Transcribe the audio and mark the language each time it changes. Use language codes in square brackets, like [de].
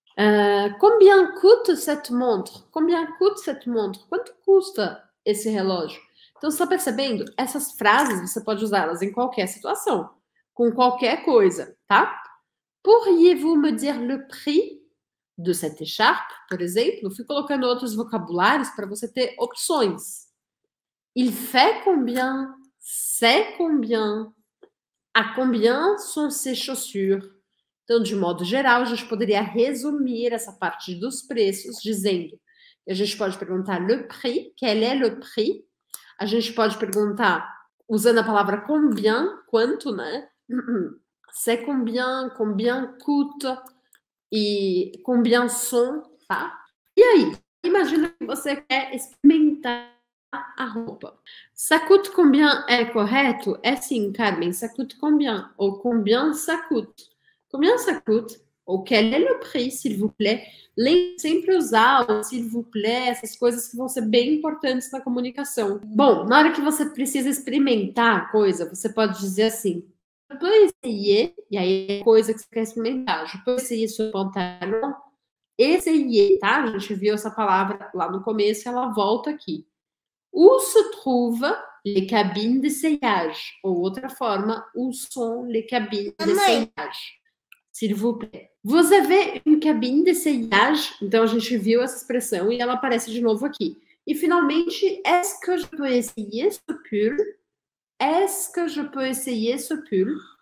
[fr] Combien coûte cette montre? Combien coûte cette montre? [pt] Quanto custa esse relógio? Então, você está percebendo? Essas frases você pode usá-las em qualquer situação, com qualquer coisa, tá? [fr] Pourriez-vous me dire le prix de cette écharpe, [pt] por exemplo? Fui colocando outros vocabulários para você ter opções. [fr] Il fait combien? C'est combien? À combien sont ces chaussures? [pt] Então, de modo geral, a gente poderia resumir essa parte dos preços dizendo: a gente pode perguntar [fr] le prix, quel est le prix? [pt] A gente pode perguntar, usando a palavra combien, quanto, né? [fr] C'est combien, combien coûte e combien sont, tá? [pt] E aí, imagina que você quer experimentar a roupa. [fr] Ça coûte combien [pt] é correto? É sim, [fr] Carmen, ça coûte combien? Ou combien ça coûte? Combien ça coûte? Ou quel est le prix, s'il vous plaît? [pt] Lembre sempre usar o [fr] s'il vous plaît, [pt] essas coisas que vão ser bem importantes na comunicação. Bom, na hora que você precisa experimentar a coisa, você pode dizer assim: [fr] Je peux essayer, [pt] e aí é a coisa que você quer experimentar. [fr] Je peux essayer sur pantalon? [pt] Essayer, tá? A gente viu essa palavra lá no começo e ela volta aqui. [fr] Où se trouve les cabines d'essayage? [pt] Ou outra forma, [fr] où sont les cabines [pt] Mamãe, [fr] d'essayage? S'il vous plaît. Vous avez une cabine d'essayage? [pt] Então a gente viu essa expressão e ela aparece de novo aqui. [fr] E finalmente, est-ce que je peux essayer ce pull? Est-ce que je peux essayer ce pull?